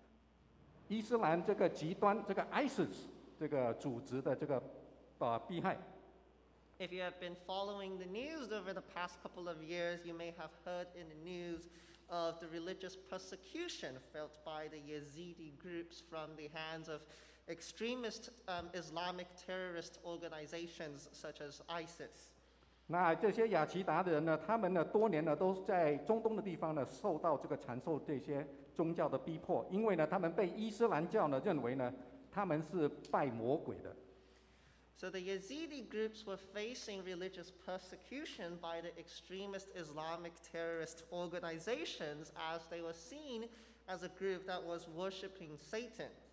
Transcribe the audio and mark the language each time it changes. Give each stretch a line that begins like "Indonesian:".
Chinese: 这些雅齐达的难民呢，大家如果在几年前你可以看到新闻，他们是受到这个伊拉克这些伊斯兰这个极端这个 ISIS 这个组织的这个迫害。
English: If you have been following the news over the past couple of years, you may have heard in the news of the religious persecution felt by the Yazidi groups from the hands of extremist Islamic terrorist organizations such as ISIS.
Chinese: 那这些雅齐达的人呢，他们呢多年呢都在中东的地方呢受到这个缠受这些宗教的逼迫，因为呢他们被伊斯兰教呢认为呢他们是拜魔鬼的。
English: So the Yazidi groups were facing religious persecution by the extremist Islamic terrorist organizations as they were seen as a group that was worshipping Satan.